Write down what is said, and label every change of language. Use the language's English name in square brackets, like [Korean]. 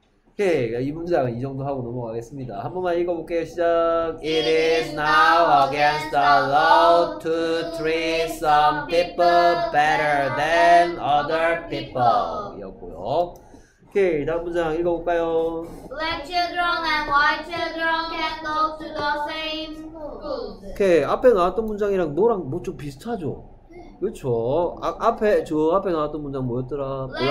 [Korean] Okay, 이 문장은 이 정도 하고 넘어가겠습니다. 한 번만 읽어볼게요. 시작. [English] It is now against the law to treat some people better than other people.이었고요. [Korean] Okay, 다음 문장 읽어볼까요? [English] Black children and white children can go to the same school. [Korean] Okay, 앞에 나왔던 문장이랑 너랑 뭐 좀 비슷하죠? 그쵸. 앞에 나왔던 문장 뭐였더라?